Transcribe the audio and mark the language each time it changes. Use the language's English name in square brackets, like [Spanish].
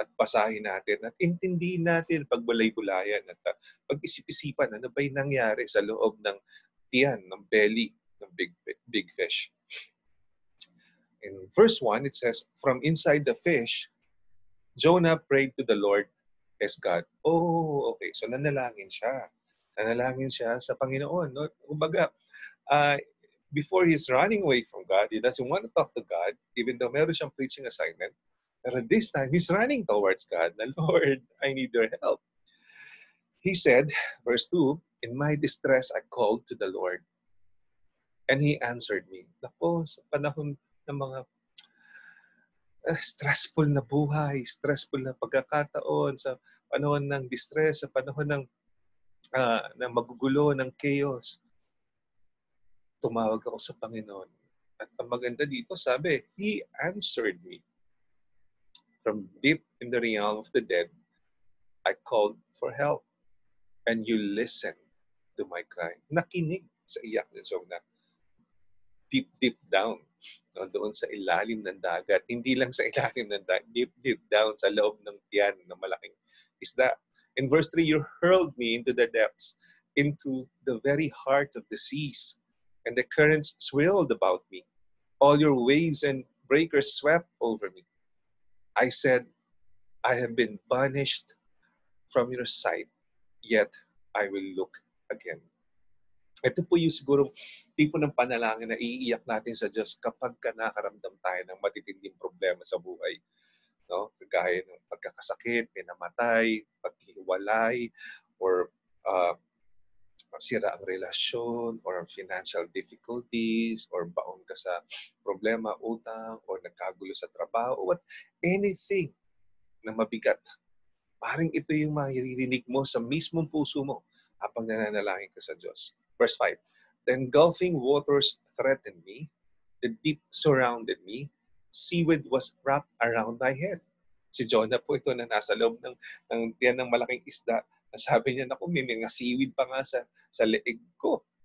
[Filipino] At basahin natin at intindihin natin pagbulay-bulayan at pag-isip-isipan ano ba yung nangyari sa loob ng tiyan, ng belly, ng big fish. [English] In verse 1, it says, from inside the fish, Jonah prayed to the Lord his God. [Filipino] Oh, okay. So nanalangin siya. Nanalangin siya sa Panginoon. [English] No? Kumbaga, before he's running away from God, he doesn't want to talk to God, even though [Filipino] meron siyang preaching assignment. [English] But this time, he's running towards God. Na, Lord, I need your help. He said, verse 2, in my distress, I called to the Lord. And he answered me. [Filipino] Nako, sa panahon ng mga stressful na buhay, stressful na pagkakataon, sa panahon ng distress, sa panahon ng na magugulo, ng chaos, tumawag ako sa Panginoon. At ang maganda dito, sabi, [English] he answered me. From deep in the realm of the dead, I called for help. And you listened to my cry. [Filipino] Nakinig sa iyak ni Jonah. [English] Deep down. [Filipino] No, doon sa ilalim ng dagat. Hindi lang sa ilalim ng dagat. [English] Deep down [Filipino] sa loob ng tiyan ng malaking isda. [English] In verse 3, you hurled me into the depths, into the very heart of the seas. And the currents swirled about me. All your waves and breakers swept over me. I said, I have been banished from your sight, yet I will look again. [Filipino] Ito po yung siguro tipo ng panalangin na iiyak natin sa Diyos kapag ka nakaramdam tayo ng matitinding problema sa buhay. No? Gaya ng pagkakasakit, pinamatay, paghiwalay, or masira ang relasyon, or [English] financial difficulties, [Filipino] or baon ka sa problema, utang, or nagkagulo sa trabaho, or what, anything na mabigat. Parang ito yung maririnig mo sa mismong puso mo habang nananalangin ka sa Diyos. [English] Verse 5, the engulfing waters threatened me, the deep surrounded me, seaweed was wrapped around my head. [Filipino] Si Jonah po ito na nasa loob ng tiyan ng malaking isda. Sabi niya, naku, may mga seaweed pa nga sa leeg ko.